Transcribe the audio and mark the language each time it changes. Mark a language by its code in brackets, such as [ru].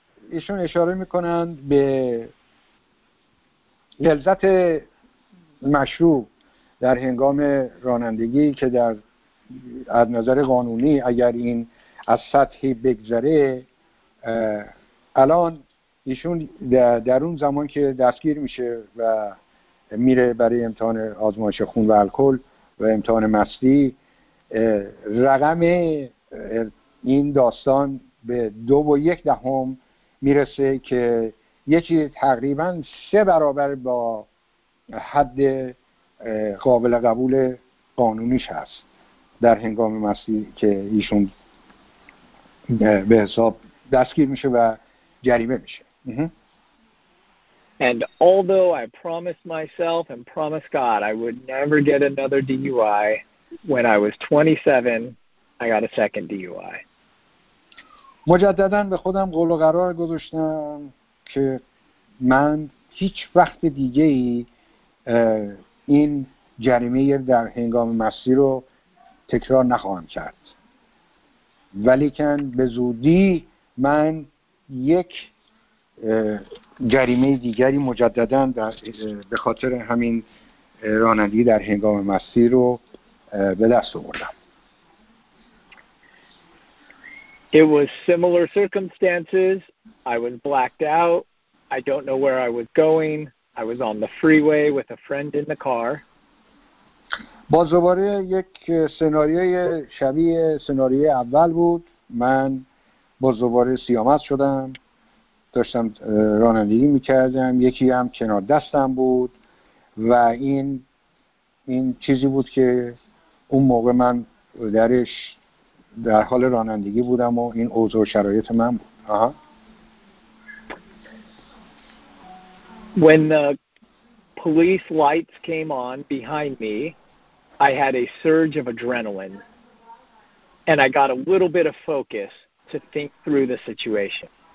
[fa] ایشون اشاره میکنند به لذت مشروب در هنگام رانندگی که در از نظر قانونی اگر این از سطحی بگذره، الان ایشون در اون زمان که دستگیر میشه و میره برای امتحان آزمایش خون و الکل و امتحان مستی، رقم این داستان به 2.1 میرسه که یه چیز تقریبا 3 برابر با حد قابل قبول قانونیش هست در هنگام مستی که ایشون به حساب دستگیر میشه و جریمه میشه. [en] And although I promised myself and promised God I would never get another DUI, when I was 27, I got a second DUI. [fa] مجدداً به خودم قول و قرار گذاشتم که من هیچ وقت دیگه‌ای این جریمه در هنگام مستی رو تکرار نخواهم کرد. ولیکن به زودی من یک جریمه دیگری مجدداً به خاطر همین رانندگی در هنگام مستی رو به دست آوردم. [en] It was similar circumstances. I was blacked out. I don't know where I was going. I was on the freeway with a friend in the car. [fa] باز دوباره یک سناریوی شبیه سناریوی اول بود. من باز دوباره سیامت شدم. داشتم رانندگی می‌کردم. یکی هم کنار دستم بود و این چیزی بود که اون موقع من درش در حال رانندگی بودم و این اوضاع شرایط من بود. [en] When the police lights came on behind me, I had a surge of adrenaline and I got a little bit of focus to think through the situation.